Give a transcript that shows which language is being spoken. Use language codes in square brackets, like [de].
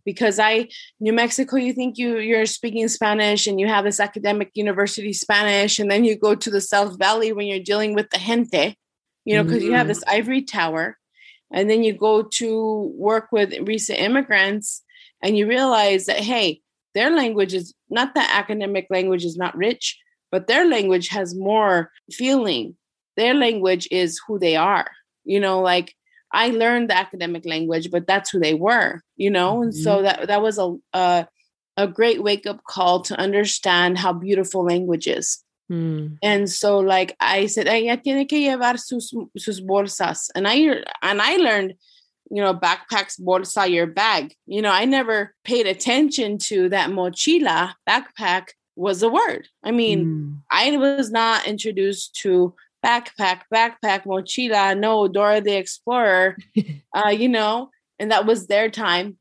[en] Because New Mexico, you think you're speaking Spanish and you have this academic university Spanish, and then you go to the South Valley when you're dealing with the gente, you know, because you have this ivory tower, and then you go to work with recent immigrants and you realize that, hey, their language is not that academic language is not rich, but their language has more feeling. Their language is who they are. You know, like, I learned the academic language, but that's who they were, you know? And so that was a great wake up call to understand how beautiful language is. Mm. And so, like, I said, [es] ella tiene que llevar sus bolsas. [en] And I learned, you know, backpacks, bolsa, your bag. You know, I never paid attention to that mochila, backpack was a word. I mean, I was not introduced to backpack, mochila, no, Dora the Explorer, you know, and that was their time.